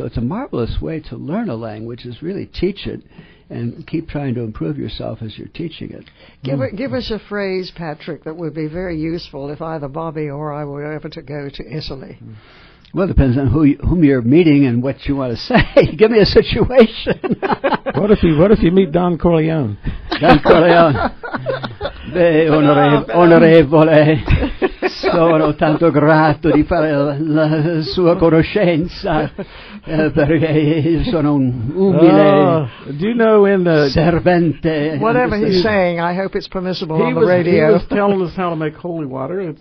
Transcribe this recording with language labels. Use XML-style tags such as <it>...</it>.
<en>So it's a marvelous way to learn a language, is really teach it and keep trying to improve yourself as you're teaching it. Give us a phrase, Patrick, that would be very useful if either Bobby or I were ever to go to Italy. Well, it depends on whom you're meeting and what you want to say. Give me a situation. What if you meet Don Corleone? Don Corleone.</en> <it>Beh, onorevole, sono tanto grato di fare la sua conoscenza, perché sono un umile servente.</it> <en>Whatever he's saying, I hope it's permissible on the radio. He was telling us how to make holy water.</en>